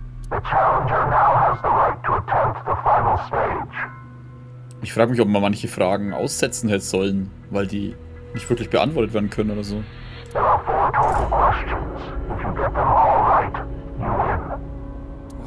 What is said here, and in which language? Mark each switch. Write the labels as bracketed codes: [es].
[en] The Challenger now has the right to attempt the final stage. [de] Ich frage mich, ob man manche Fragen aussetzen hätte sollen, weil die nicht wirklich beantwortet werden können oder so. [en] There are four total questions. If you get them all right, you win.